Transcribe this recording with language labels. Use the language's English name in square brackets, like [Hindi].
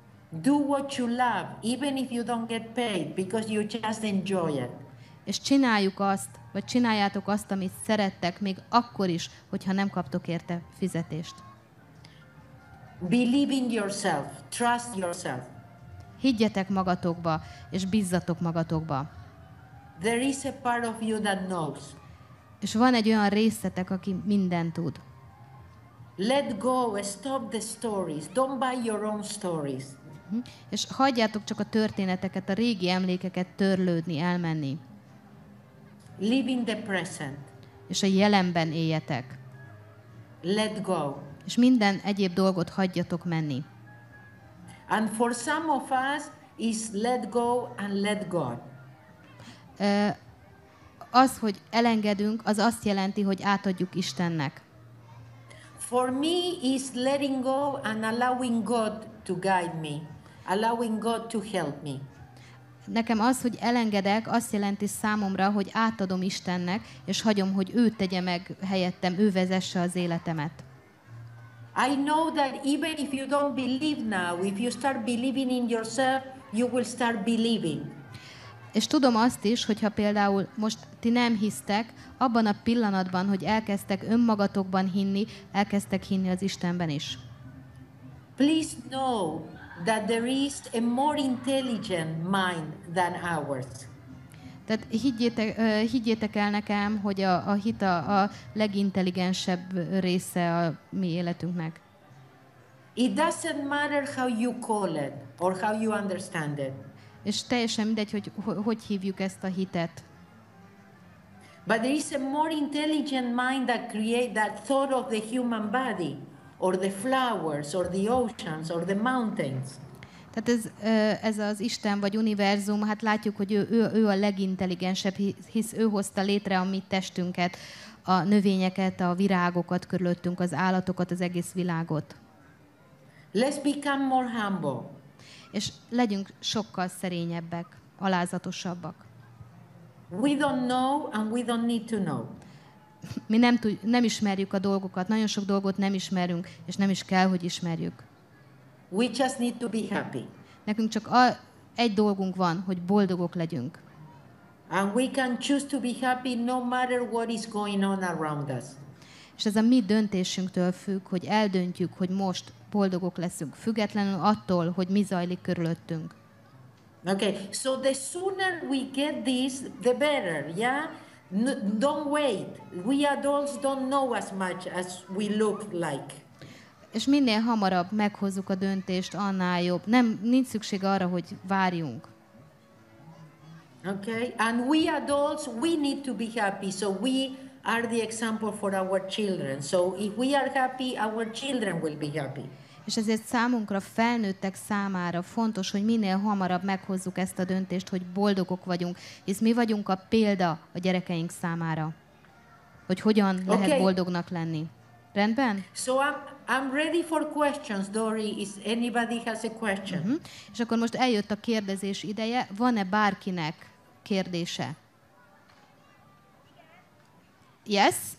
[English] Do what you love, even if you don't get paid, because you just enjoy it. [Hungarian] És csináljuk azt, vagy csináljátok azt, amit szerettek, még akkor is, hogyha nem kaptok érte fizetést. [English] Believe in yourself, trust yourself. [Hungarian] Higgyetek magatokba, és bízzatok magatokba. [English] There is a part of you that knows. [Hungarian] És van egy olyan részetek, aki mindent tud. [English] Let go, stop the stories. Don't buy your own stories. [Hungarian] És hagyjátok csak a történeteket, a régi emlékeket törlődni, elmenni. [English] Live in the present. [Hungarian] És a jelenben éljetek. [English] Let go. [Hungarian] És minden egyéb dolgot hagyjatok menni. [English] And for some of us is let go and let God. [Hungarian] Az, hogy elengedünk, az azt jelenti, hogy átadjuk Istennek. [English] For me is letting go and allowing God to guide me, allowing God to help me. [Hungarian] Nekem az, hogy elengedek, azt jelenti számomra, hogy átadom Istennek, és hagyom, hogy ő tegye meg helyettem, ő vezesse az életemet. [English] I know that even if you don't believe now, if you start believing in yourself, you will start believing. [Hungarian] És tudom azt is, hogyha például most ti nem hisztek, abban a pillanatban, hogy elkezdtek önmagatokban hinni, elkezdtek hinni az Istenben is. [English] Please know that there is a more intelligent mind than ours. [Hungarian] Tehát higgyétek el nekem, hogy a hit a legintelligensebb része a mi életünknek. [English] It doesn't matter how you call it or how you understand it. [Hungarian] És teljesen mindegy, hogy hogy hívjuk ezt a hitet. [English] But there is a more intelligent mind that create that thought of the human body, or the flowers, or the oceans, or the mountains. [Hungarian] Tehát ez az Isten vagy univerzum, hát látjuk, hogy ő a legintelligensebb, hisz ő hozta létre a mi testünket, a növényeket, a virágokat körülöttünk, az állatokat, az egész világot. [English] Let's become more humble. [Hungarian] És legyünk sokkal szerényebbek, alázatosabbak. [English] We don't know and we don't need to know. [Hungarian] Mi nem ismerjük a dolgokat, nagyon sok dolgot nem ismerünk, és nem is kell, hogy ismerjük. [English] We just need to be happy. [Hungarian] Nekünk csak egy dolgunk van, hogy boldogok legyünk. [English] And we can choose to be happy no matter what is going on around us. [Hungarian] És ez a mi döntésünktől függ, hogy eldöntjük, hogy most boldogok leszünk, függetlenül attól, hogy mi zajlik körülöttünk. [English] Okay, so the sooner we get this, the better, yeah? Don't wait. We adults don't know as much as we look like. [Hungarian] És minél hamarabb meghozzuk a döntést, annál jobb. Nincs szükség arra, hogy várjunk. [English] Okay, and we adults, we need to be happy, so we are the example for our children. So if we are happy, our children will be happy. [Hungarian] És ezért számunkra, felnőttek számára fontos, hogy minél hamarabb meghozzuk ezt a döntést, hogy boldogok vagyunk, hisz mi vagyunk a példa a gyerekeink számára, hogy hogyan lehet boldognak lenni. Rendben? [English] So I'm ready for questions, Dori. Is anybody has a question? [Hungarian] És akkor most eljött a kérdezés ideje. Van-e bárkinek kérdése? [English] Yes.